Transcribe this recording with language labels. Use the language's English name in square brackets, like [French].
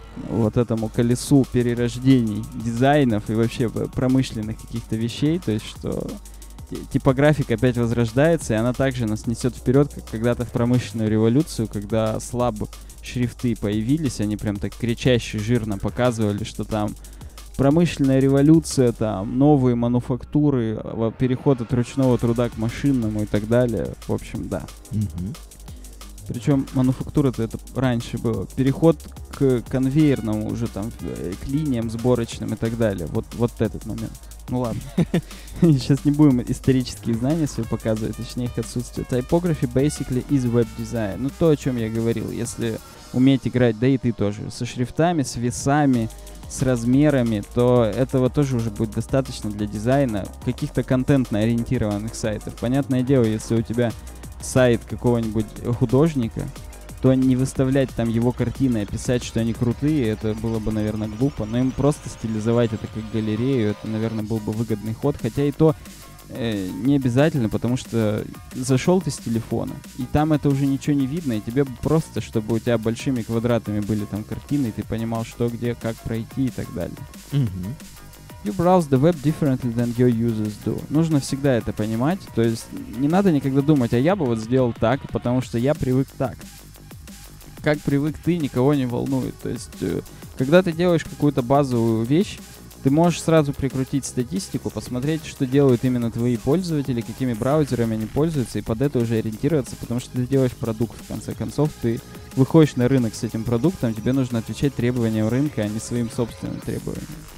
[Russian] вот этому колесу перерождений дизайнов и вообще промышленных каких-то вещей, то есть что типографика опять возрождается, и она также нас несет вперед, как когда-то в промышленную революцию, когда слаб шрифты появились, они прям так кричаще, жирно показывали, что там промышленная революция, там новые мануфактуры, переход от ручного труда к машинному и так далее, в общем, да. Причем мануфактура-то это раньше было. Переход к конвейерному уже там, к линиям сборочным и так далее. Вот этот момент. Ну ладно. Сейчас не будем исторические знания свои показывать, точнее их отсутствие. [English] Typography basically is веб-дизайн. [Russian] Ну то, о чем я говорил. Если уметь играть, да и ты тоже, со шрифтами, с весами, с размерами, то этого тоже уже будет достаточно для дизайна каких-то контентно-ориентированных сайтов. Понятное дело, если у тебя сайт какого-нибудь художника, то не выставлять там его картины, а писать, что они крутые, это было бы, наверное, глупо. Но им просто стилизовать это как галерею, это, наверное, был бы выгодный ход. Хотя и то не обязательно, потому что зашел ты с телефона, и там это уже ничего не видно, и тебе просто, чтобы у тебя большими квадратами были там картины, и ты понимал, что, где, как пройти и так далее. [English] You browse the web differently than your users do. [Russian] Нужно всегда это понимать. То есть не надо никогда думать, а я бы вот сделал так, потому что я привык так. Как привык ты, никого не волнует. То есть, когда ты делаешь какую-то базовую вещь, ты можешь сразу прикрутить статистику, посмотреть, что делают именно твои пользователи, какими браузерами они пользуются, и под это уже ориентироваться, потому что ты делаешь продукт, в конце концов, ты выходишь на рынок с этим продуктом, тебе нужно отвечать требованиям рынка, а не своим собственным требованиям.